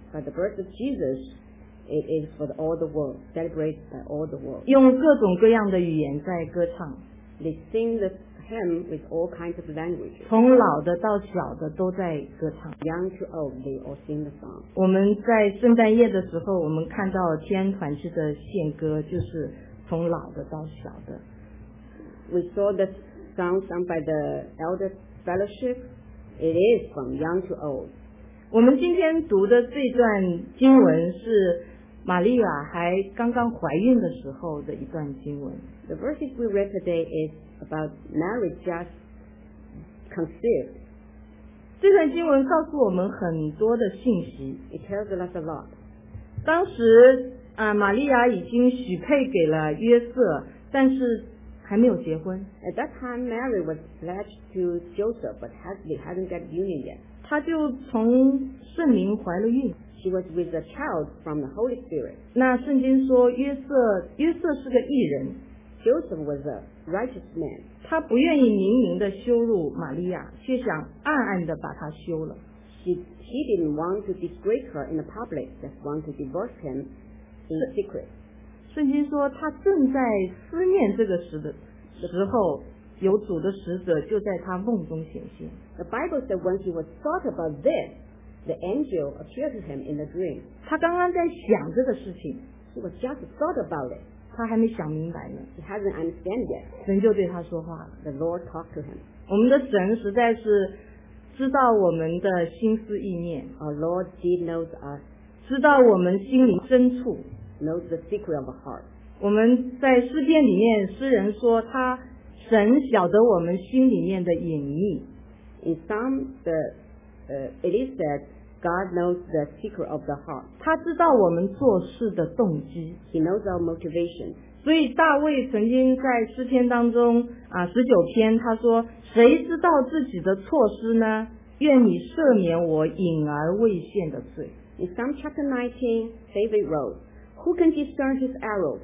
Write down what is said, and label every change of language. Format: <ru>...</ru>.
<en>But the birth of Jesus. It is for all the world, celebrated by all the world.</en> <zh>用各种各样的语言在歌唱。</zh> <en>They sing the hymn with all kinds of language.</en> <zh>从老的到小的都在歌唱。</zh> <en>Young to old, they all sing the song.</en> <zh>我们在圣诞夜的时候，我们看到天团式的献歌，就是从老的到小的。</zh> <en>We saw the song sung by the elder fellowship. It is from young to old.</en> <zh>我们今天读的这段经文是玛利亚还刚刚怀孕的时候的一段经文。</zh> <en>The verses we read today is about Mary just conceived.</en> <zh>这段经文告诉我们很多的信息。</zh> <en>It tells us a lot.</en> <zh>当时玛利亚已经许配给了约瑟，但是还没有结婚。</zh> <en>At that time, Mary was pledged to Joseph, but hadn't got union yet.</en> <zh>她就从圣灵怀了孕。</zh> <en>She was with a child from the Holy Spirit.</en> <zh>那圣经说约瑟是个义人。</zh> <en>Joseph was a righteous man.</en> <zh>他不愿意明明的羞辱玛利亚，却想暗暗的把她休了。</zh> <en>She didn't want to disgrace her in the public, just want to divorce him in secret.</en> <zh>圣经说他正在思念这个时候，有主的使者就在他梦中显现。</zh> <en>The Bible said when he was thought about this, the angel appeared to him in a dream.</en> <zh>他刚刚在想这个事情。</zh> <en>He was just thought about it.</en> <zh>他还没想明白呢。</zh> <en>He hasn't understand yet.</en> <zh>神就对他说话了。</zh> <en>The Lord talked to him.</en> <zh>我们的神实在是知道我们的心思意念。</zh> <en>Our Lord did know us.</en> <zh>知道我们心灵深处。</zh> <en>Knows the secret of the heart.</en> <zh>我们在诗篇里面，诗人说他神晓得我们心里面的隐秘。</zh> <en>In some, it is that God knows the secret of the heart.</en> <zh>他知道我们做事的动机。</zh> <en>He knows our motivation.</en> <zh>所以大卫曾经在诗篇当中十九篇他说：“谁知道自己的错失呢？愿你赦免我隐而未现的罪。”</zh> <en>In some chapter 19, David wrote. Who can discern his arrow?</en>